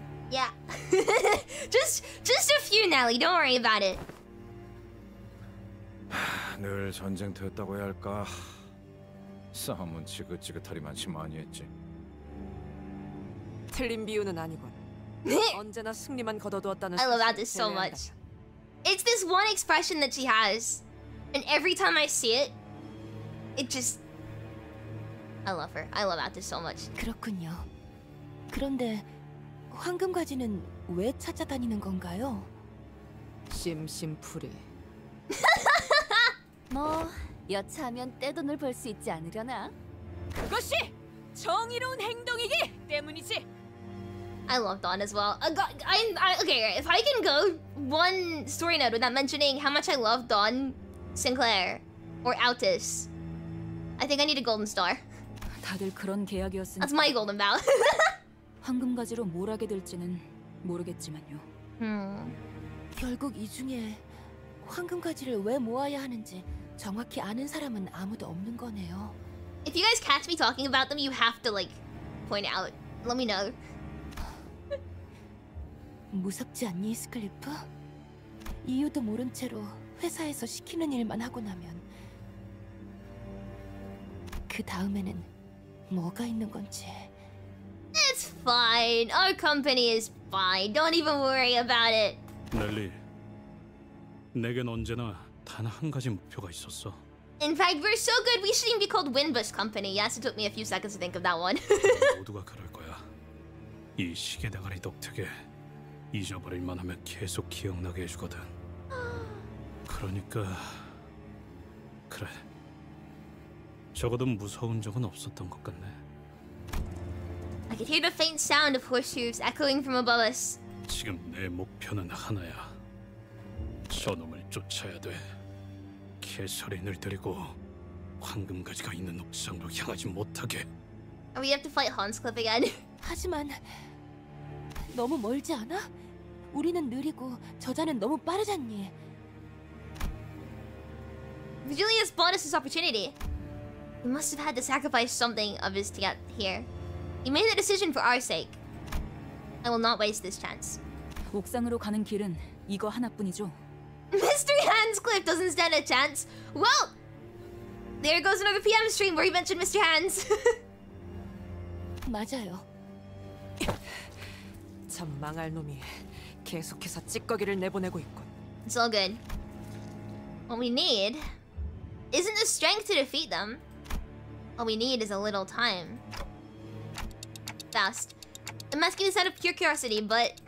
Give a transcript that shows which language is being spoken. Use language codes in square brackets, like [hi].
[en] Yeah. just a few, Nelly. Don't worry about it. [ko] 늘 전쟁터였다고 해야 할까? 싸움은 지긋지긋하리만치 많이 했지. 틀린 비유는 아니군. 언제나 승리만 거둬두었다는 [en] I love that so much. It's this one expression that she has. And every time I see it, It just... I love her. I love Atis so much. [ko] 그렇군요. 그런데 황금 가지는 왜 찾아다니는 건가요? 심심풀이. 뭐 여차하면 떼돈을 벌 수 있지 않으려나? 그것이 정의로운 행동이기 때문이지. [en] I love Dawn as well. Okay, if I can go one story note without mentioning how much I love Dawn Sinclair or Altis, I think I need a golden star. [ko] 다들 그런 계약이었으니. [en] That's my golden bow. [ko] 황금 가지로 뭘 하게 될지는 모르겠지만요. 결국 이 중에 황금 가지를 왜 모아야 하는지 정확히 아는 사람은 아무도 없는 거네요. [en] If you guys catch me talking about them, you have to like point out. Let me know. [ko] 무섭지 않니, 스클리프? 이유도 모른 채로 회사에서 시키는 일만 하고 나면 그 다음에는 뭐가 있는 건지. [en] It's fine. Our company is fine. Don't even worry about it. [ko] 넬리, 내겐 언제나 단 한 가지 목표가 있었어. [en] In fact, we're so good, we shouldn't be called Winbush Company. Yes, it took me a few seconds to think of that one. [ko] 모두가 그럴 거야. 이 시계 대가리 독특해. 잊어버릴 만하면 계속 기억나게 해주거든. 그러니까 그래. 적어도 무서운 적은 없었던 것 같네. [en] I could hear the faint sound of horse hooves echoing from above us. [ko] 지금 내 목표는 하나야. 저놈을 쫓아야 돼. 캐서린을 데리고 황금 가지가 있는 옥상으로 향하지 못하게. [en] We have to fight Hansclub again. [ko] 하지만 너무 멀지 않아? 우리는 느리고 저자는 너무 빠르잖니. [en] Julius bought us this opportunity. He must have had to sacrifice something of his to get here. He made the decision for our sake. I will not waste this chance. [ko] 옥상으로 가는 길은 이거 하나뿐이죠. [en] Mr. Handscliff doesn't stand a chance. Well, there goes another PM stream where he mentioned Mr. Hands. [ko] 맞아요. 참 망할 놈이 계속해서 찌꺼기를 내보내고 있군. [en] It's all good. What we need isn't the strength to defeat them. All we need is a little time. Fast. I'm asking this out of pure curiosity, but...